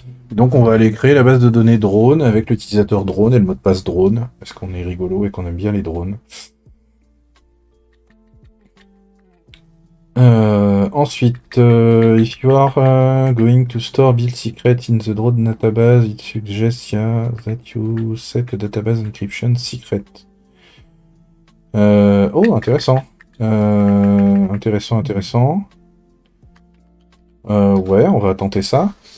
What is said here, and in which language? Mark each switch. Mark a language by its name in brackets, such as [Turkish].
[French] Donc, on va aller créer la base de données drone avec l'utilisateur drone et le mot de passe drone, parce qu'on est rigolo et qu'on aime bien les drones. Ensuite, [English] if you are going to store build secret in the drone database, it suggests that you set the database encryption secret. [French] Oh, intéressant. Intéressant, intéressant. Ouais, on va tenter ça.